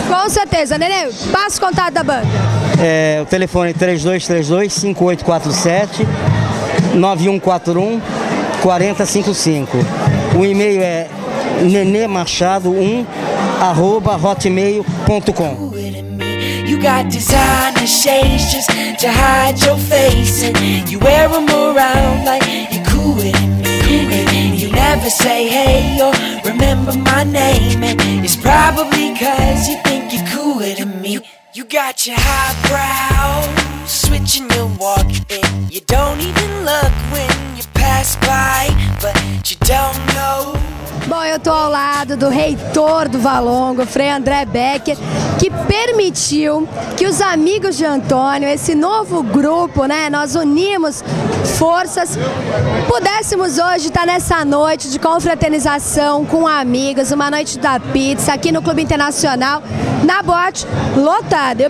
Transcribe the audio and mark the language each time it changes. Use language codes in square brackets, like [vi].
[pt] Com certeza. Nenê, passa o contato da banda. O telefone é 3232-5847, 9141-4055. O e-mail é nenemachado1@hotmail.com. [en] Got designer shades just to hide your face, and you wear them around like you're cool with me. And you never say hey or remember my name, and it's probably 'cause you think you're cooler than me. You got your highbrow switching your walk, and you don't even look when you pass by, but you don't know. [pt] Bom, eu tô ao lado do reitor do Valongo, Frei André Becker, que permitiu que os Amigos de Antônio, esse novo grupo, né, nós unimos forças, pudéssemos hoje estar nessa noite de confraternização com amigos, uma noite da pizza aqui no Clube Internacional, na Boate, lotada.